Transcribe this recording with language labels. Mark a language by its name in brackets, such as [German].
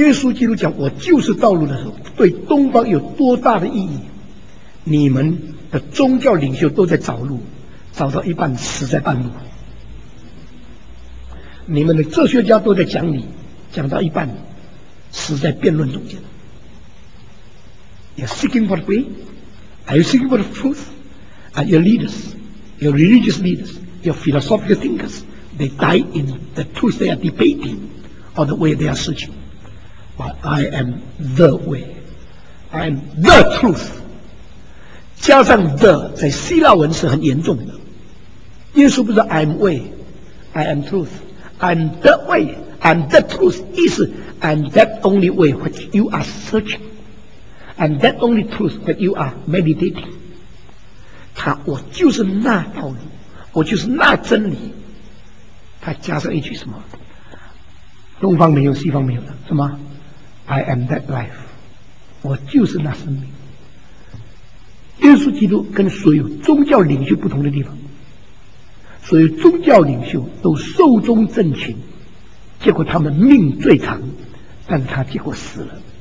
[Chinese] 耶稣基督讲我就是道路的时候，对东方有多大的意义？你们的宗教领袖都在找路，找到一半死在半路，你们的哲学家都在讲理，讲到一半死在辩论中间。 [English] You're seeking for the way? Are you seeking for the truth? Are your leaders, your religious leaders, your philosophical thinkers, they die in the truth they are debating or the way they are searching? But I am the way, I am the truth. [Chinese] 加上 the 在希腊文是很严重的，耶稣不是 [English] I'm way, I am truth, I'm the way, I'm the truth, [Chinese] 意思 [English] I'm that only way which you are searching, I'm that only truth that you are meditating. [Chinese] 他我就是那道路，我就是那真理。他加上一句什么？东方没有，西方没有的，什么？ [English] I am that life, [Chinese] 我就是那生命。耶稣基督跟所有宗教领袖不同的地方。所以宗教领袖都寿终正寝，结果他们命最长，但是他结果死了。